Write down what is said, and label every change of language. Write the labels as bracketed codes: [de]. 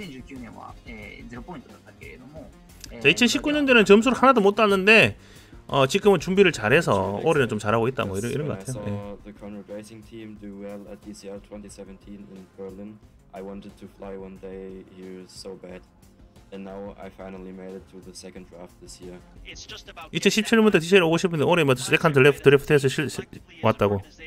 [ko] 자, 2019년도에는 점수를 하나도 못 땄는데 지금은 준비를 잘해서 올해는 좀 잘하고 있다 뭐 이런 것 같아요. 네. [en] The Conrad Racing team do well at DCR 2017 in Berlin. I wanted to fly one day here so bad. And now I finally made it to the second draft this year. [ko] 2017년부터 DCR 오고 싶은데 올해 뭐 세컨드 드래프트에서 왔다고.